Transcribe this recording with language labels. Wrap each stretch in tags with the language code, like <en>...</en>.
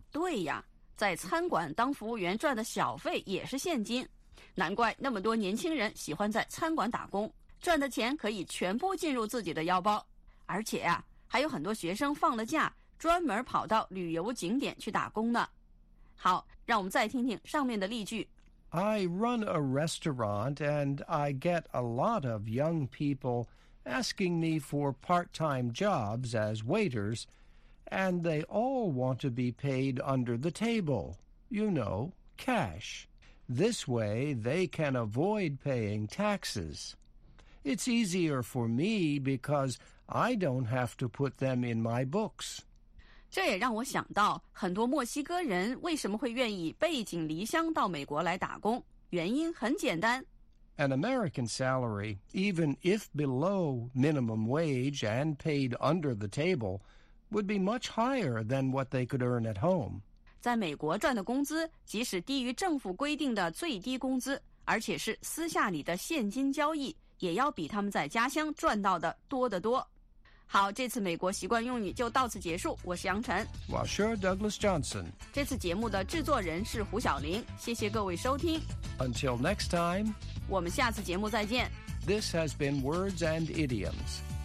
<zh>对呀，在餐馆当服务员赚的小费也是现金。难怪那么多年轻人喜欢在餐馆打工，赚的钱可以全部进入自己的腰包。而且啊，还有很多学生放了假专门跑到旅游景点去打工呢。好，让我们再听听上面的例句。</zh> <en>I run a restaurant and I get a lot of young people asking me for part-time jobs as waiters, and they all want to be paid under the table, you know, cash. This way, they can avoid paying taxes. It's easier for me because I don't have to put them in my books.</en> <zh>这也让我想到，很多墨西哥人为什么会愿意背井离乡到美国来打工？原因很简单。</zh> <en>An American salary, even if below minimum wage and paid under the table, would be much higher than what they could earn at home.</en> <zh>在美国赚的工资，即使低于政府规定的最低工资，而且是私下里的现金交易，也要比他们在家乡赚到的多得多。好，这次美国习惯用语就到此结束。我是杨晨。</zh> <en>Well, sure, Douglas Johnson.</en> <zh>这次节目的制作人是胡晓玲。谢谢各位收听。</zh> <en>Until next time.</en> <zh>我们下次节目再见。</zh> <en>This has been Words and Idioms.</en>